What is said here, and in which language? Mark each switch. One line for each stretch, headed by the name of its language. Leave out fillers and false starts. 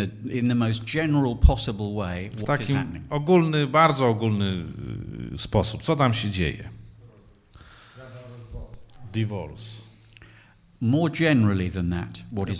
English: In the most general possible way, what is happening?
Polish: W taki ogólny, bardzo ogólny sposób. Co tam się dzieje?
English: Divorce. More generally than that, what is